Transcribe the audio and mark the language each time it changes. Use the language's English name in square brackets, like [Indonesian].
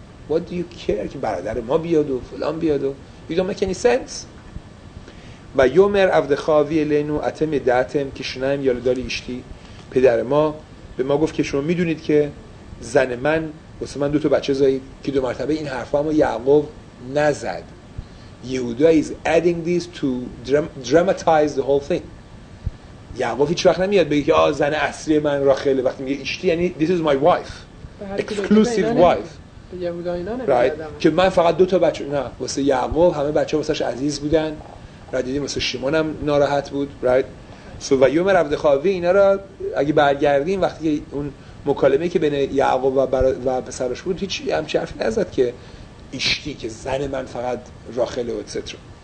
[English] What do you care [Persian] که برادر ما بیاد و [English] فلان بیاد و you don't make any sense. [Persian] و یومر عبدخاوی لینو اتم دعتم که شنایم یالدار ایشتی، پدر ما به ما گفت که شما میدونید که زن من واسه من دو تا بچه زایید، که دو مرتبه این حرفا هم یعقوب نزد. [English] یهودا is adding this to dramatize the whole thing. [Persian] یعقوب هیچ وقت نمیاد بگه که آه زن اصلی من راخل، وقتی میگه ایشتی یعنی [English] this is my wife exclusive wife. Right. [Persian] که من فقط دو تا بچه، نه واسه یعقوب همه بچه واسه عزیز بودن، رادیدی مثل شیمون هم ناراحت بود، [English] right. [Persian] سو و یوم عبدخاوی اینا را اگه برگردیم وقتی که اون مکالمه که بین یعقوب و پسرش بود هیچ همچی حرفی نزد که ایشتی که زن من فقط راخل و اتسترا.